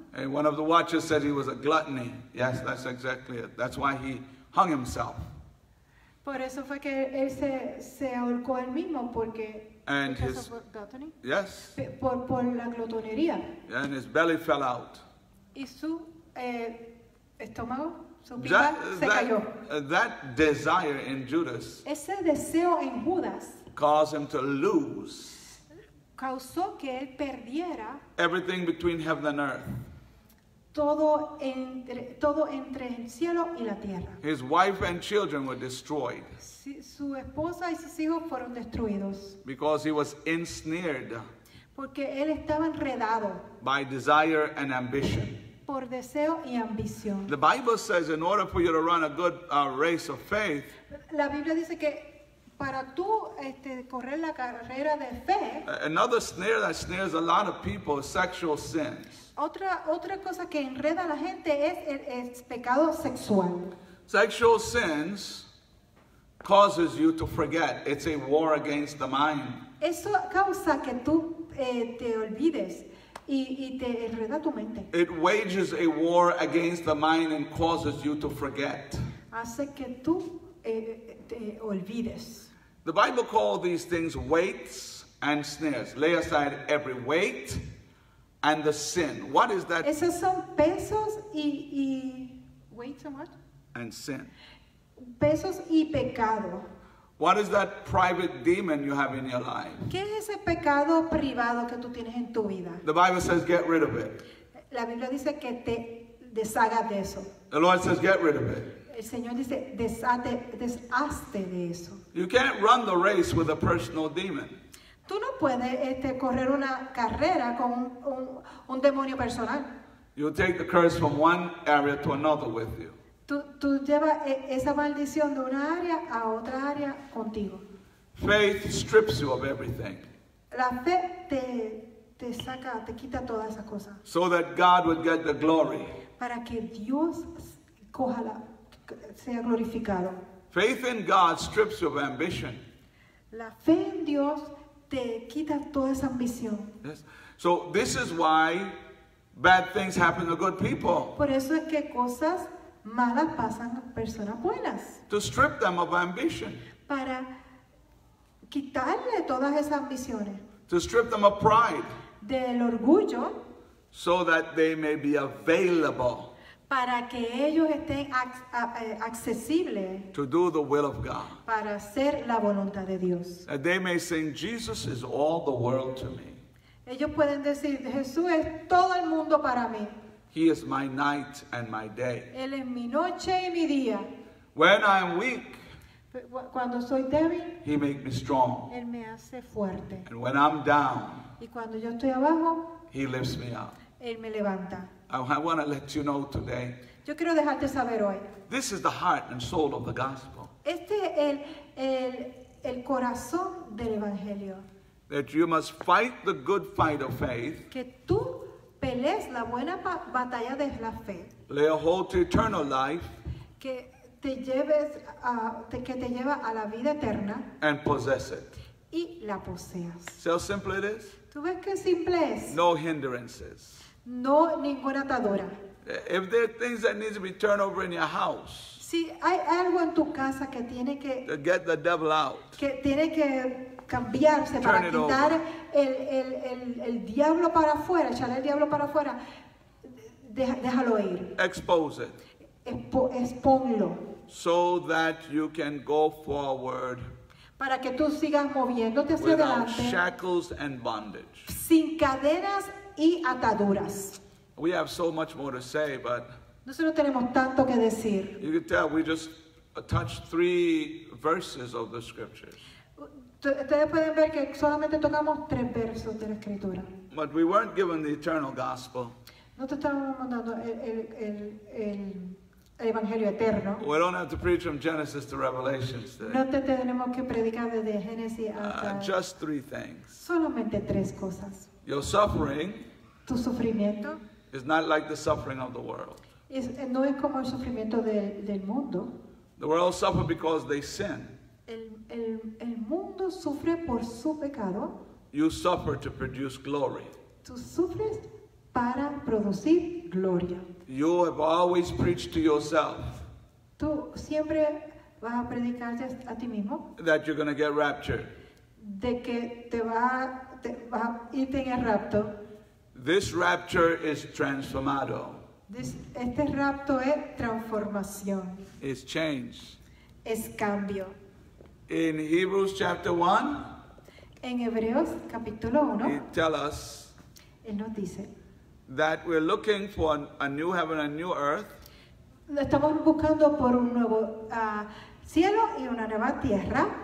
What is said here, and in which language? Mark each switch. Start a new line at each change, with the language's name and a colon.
English: And one of the watchers said he was a gluttony. Yes, that's exactly it. That's why he hung himself.
Spanish: Por eso fue que él se ahorcó él mismo, porque
English: and his, yes.
Spanish: Por la glotonería.
English: Yeah, and his belly fell out.
Spanish: Y su estómago, su pipa, se cayó.
English: That desire in Judas,
Spanish: ese deseo en Judas,
English: caused him to lose
Spanish: causó que él perdiera
English: everything between heaven and earth.
Spanish: Todo entre el cielo y la tierra.
English: His wife and children were destroyed.
Spanish: Su esposa y sus hijos fueron destruidos.
English: Because he was ensnared.
Spanish: Porque él estaba enredado.
English: By desire and ambition.
Spanish: Por deseo y ambición.
English: The Bible says, in order for you to run a good race of faith.
Spanish: La Biblia dice que para tú correr la carrera de fe.
English: Another snare that snares a lot of people is sexual sins.
Spanish: Otra cosa que enreda a la gente es el pecado sexual.
English: Sexual sins causes you to forget. It's a war against the mind.
Spanish: Eso causa que tú te olvides y te enreda tu mente.
English: It wages a war against the mind and causes you to forget.
Spanish: Hace que tú te olvides.
English: The Bible calls these things weights and snares. Lay aside every weight and the sin. What is that?
Spanish: Esos son pesos y
English: weights and what? And sin.
Spanish: Pesos y pecado.
English: What is that private demon you have in your life?
Spanish: ¿Qué es ese pecado privado que tú tienes en tu vida?
English: The Bible says get rid of it.
Spanish: La Biblia dice que te deshagas de eso.
English: The Lord says get rid of it.
Spanish: El Señor dice deshazte de eso.
English: You can't run the race with a personal demon.
Spanish: Tú no puedes correr una carrera con un demonio personal.
English: You take the curse from one area to another with you.
Spanish: Tú llevas esa maldición de una área a otra área contigo.
English: Faith strips you of everything.
Spanish: La fe te saca, te quita todas esas cosas.
English: So that God would get the glory.
Spanish: Para que Dios coja la, sea glorificado.
English: Faith in God strips you of ambition.
Spanish: La fe en Dios te quita toda esa ambición.
English: Yes. So this is why bad things happen to good people.
Spanish: Por eso es que cosas malas pasan a personas buenas.
English: To strip them of ambition.
Spanish: Para quitarle todas esas ambiciones.
English: To strip them of pride.
Spanish: Del orgullo.
English: So that they may be available.
Spanish: Para que ellos estén accesibles.
English: To do the will of God.
Spanish: Para hacer la voluntad de Dios.
English: That they may sing, Jesus is all the world to me.
Spanish: Ellos pueden decir, Jesús es todo el mundo para mí.
English: He is my night and my day.
Spanish: Él es mi noche y mi día.
English: When I am weak.
Spanish: Cuando soy débil.
English: He makes me strong.
Spanish: Él me hace fuerte.
English: And when I'm down.
Spanish: Y cuando yo estoy abajo.
English: He lifts me up.
Spanish: Él me levanta.
English: I want to let you know today.
Spanish: Yo quiero dejarte saber hoy.
English: This is the heart and soul of the gospel.
Spanish: Este es el corazón del evangelio.
English: That you must fight the good fight of faith.
Spanish: Que tú pelees la buena batalla de la fe.
English: Lay a hold to eternal life.
Spanish: Que te lleves a que te lleva a la vida eterna.
English: And possess it.
Spanish: Y la poseas.
English: See how simple it is?
Spanish: ¿Tú ves qué simple es?
English: No hindrances.
Spanish: No ninguna atadura.
English: If there are things that need to be turned over in your house.
Spanish: Si hay algo en tu casa que tiene que
English: to get the devil out.
Spanish: Que tiene que cambiarse para quitar el diablo para afuera, echar el diablo para afuera. Déjalo ir.
English: Expose it.
Spanish: Exponlo.
English: So that you can go forward.
Spanish: Para que tú sigas moviéndote hacia
English: without
Spanish: adelante.
English: Without shackles and bondage.
Spanish: Sin cadenas y ataduras.
English: We have so much more to say, but
Spanish: nosotros tenemos tanto que decir.
English: You can tell we just touched 3 verses of the scriptures.
Spanish: Ustedes pueden ver que solamente tocamos 3 versos de la escritura.
English: But we weren't given the eternal gospel.
Spanish: No te estábamos mandando el evangelio eterno.
English: We don't have to preach from Genesis to Revelation today.
Spanish: No te tenemos que predicar desde Génesis hasta
English: just 3 things.
Spanish: Solamente 3 cosas.
English: Your suffering
Spanish: tu sufrimiento
English: is not like the suffering of the world.
Spanish: No es como el sufrimiento del mundo.
English: The world suffers because they sin.
Spanish: El mundo sufre por su pecado.
English: You suffer to produce glory.
Spanish: Tú sufres para producir gloria.
English: You have always preached to yourself.
Spanish: Tú siempre vas a predicarte a ti mismo.
English: That you're going to get raptured.
Spanish: De que te va a irte en el rapto.
English: This rapture is
Spanish: transformado. Este rapto es transformación.
English: It's change.
Spanish: Es cambio.
English: In Hebrews chapter 1.
Spanish: En Hebreos capítulo 1.
English: He tell us.
Spanish: Él nos dice.
English: That we're looking for a new heaven and new earth.
Spanish: Estamos buscando por un nuevo cielo y una nueva tierra.